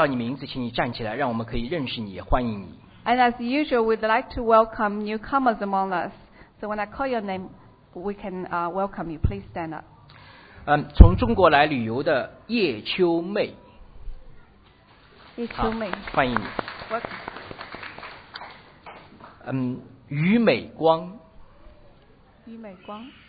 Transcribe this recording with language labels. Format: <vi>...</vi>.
<zh>我们还是像往常一样欢迎第一次来到我们中间的朋友们和弟兄姊妹们。当我报到你名字，请你站起来，让我们可以认识你，欢迎你。And</zh> <en>as usual, we'd like to welcome newcomers among us. So when I call your name, we can welcome you. Please stand up.</en> <zh>从中国来旅游的叶秋妹，叶秋妹，欢迎你。</zh> <en>Welcome.</en> <zh>于美光，于美光。</zh>